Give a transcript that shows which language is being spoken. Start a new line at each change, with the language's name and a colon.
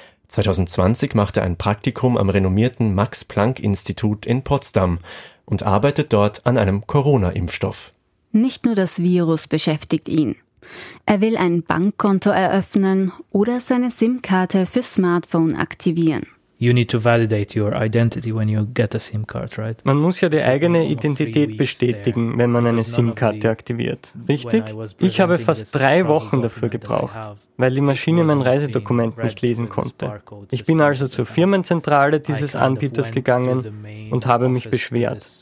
German: 2020 macht er ein Praktikum am renommierten Max-Planck-Institut in Potsdam und arbeitet dort an einem Corona-Impfstoff. Nicht nur das Virus beschäftigt ihn. Er will ein Bankkonto eröffnen oder seine SIM-Karte für Smartphone aktivieren.
English: You need to validate your identity when you get a SIM card, right?
German: Man muss ja die eigene Identität bestätigen, wenn man eine SIM-Karte aktiviert. Richtig? Ich habe fast 3 Wochen dafür gebraucht, weil die Maschine mein Reisedokument nicht lesen konnte. Ich bin also zur Firmenzentrale dieses Anbieters gegangen und habe mich beschwert.